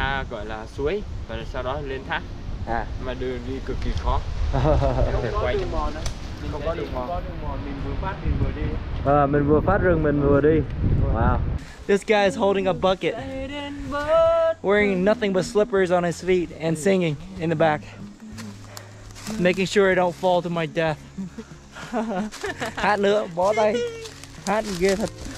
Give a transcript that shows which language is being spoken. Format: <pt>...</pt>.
<vi>Gọi là suối và sau đó lên thác mà đường đi cực kỳ khó. Không có đường mòn đâu, không có đường mòn, mình vừa phát mình vừa đi. Mình vừa phát rừng mình vừa đi. Wow.</vi> <en>This guy is holding a bucket, wearing nothing but slippers on his feet and singing in the back, making sure I don't fall to my death.</en> <vi>Hát nữa, bó tay, hát ghê thật.</vi>